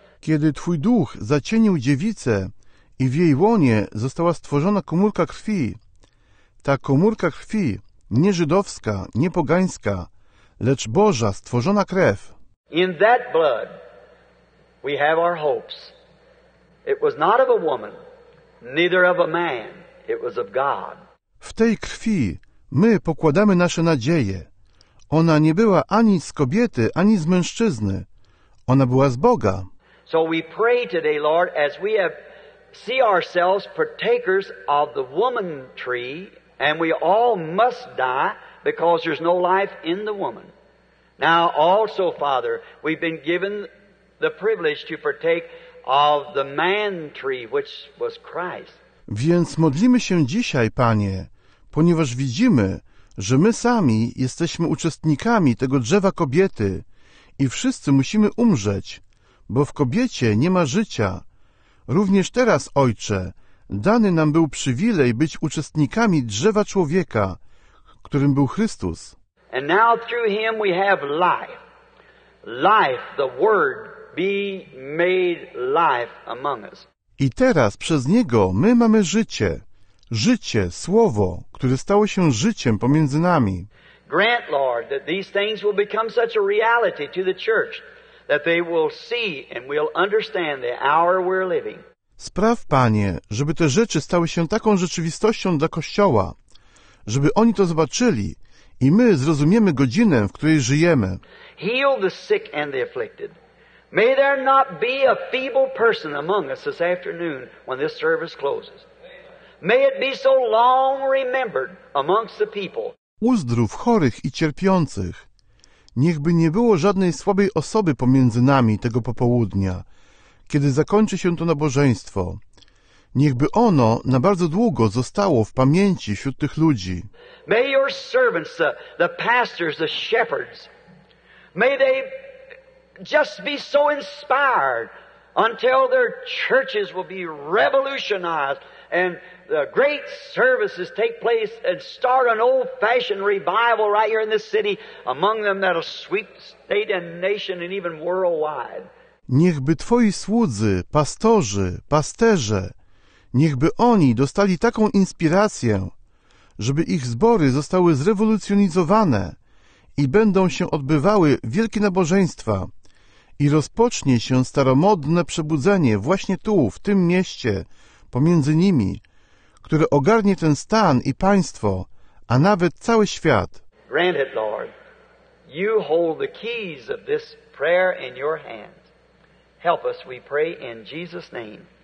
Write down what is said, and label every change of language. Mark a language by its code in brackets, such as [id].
[pl] Kiedy Twój duch zacienił dziewicę i w jej łonie została stworzona komórka krwi, ta komórka krwi nie żydowska, nie pogańska, lecz Boża, stworzona krew. [en] In that blood we have our hopes. It was not of a woman, neither of a man. It was of God. [pl] W tej krwi my pokładamy nasze nadzieje. Ona nie była ani z kobiety, ani z mężczyzny. Ona była z Boga. [en] So we pray today, Lord, as we have see ourselves partakers of the woman tree, and we all must die because there's no life in the woman. Now also, Father, we've been given the privilege to partake of the man tree, which was Christ. [pl] Więc modlimy się dzisiaj, Panie, ponieważ widzimy, że my sami jesteśmy uczestnikami tego drzewa kobiety i wszyscy musimy umrzeć, bo w kobiecie nie ma życia. Również teraz, Ojcze, dany nam był przywilej być uczestnikami drzewa człowieka, którym był Chrystus. [en] And now through him we have life. Life, the word, be made life among us. [pl] I teraz przez Niego my mamy życie. Życie, Słowo, które stało się życiem pomiędzy nami. [en] Grant, Lord, that these things will become such a reality to the church that they will see and will understand the hour we're living. [pl] Spraw, Panie, żeby te rzeczy stały się taką rzeczywistością dla Kościoła, żeby oni to zobaczyli i my zrozumiemy godzinę, w której żyjemy. [en] Heal the sick and the afflicted. May there not be a feeble person among us this afternoon when this service closes. May it be so long remembered amongst the people. [pl] Uzdrów chorych i cierpiących. Niechby nie było żadnej słabej osoby pomiędzy nami tego popołudnia, kiedy zakończy się to nabożeństwo. Niechby ono na bardzo długo zostało w pamięci wśród tych ludzi. [en] May your servants, the pastors, the shepherds, may they just be so inspired until their churches will be revolutionized and the great services take place and start an old-fashioned revival right here in this city among them that will sweep state and nation and even worldwide. [pl] Niechby Twoi słudzy, pastorzy, pasterze, niechby oni dostali taką inspirację, żeby ich zbory zostały zrewolucjonizowane i będą się odbywały wielkie nabożeństwa, i rozpocznie się staromodne przebudzenie właśnie tu, w tym mieście, pomiędzy nimi, które ogarnie ten stan i państwo, a nawet cały świat. [en] Grant it, Lord. You hold the keys of this prayer in your hands. Help us, we pray in Jesus' name.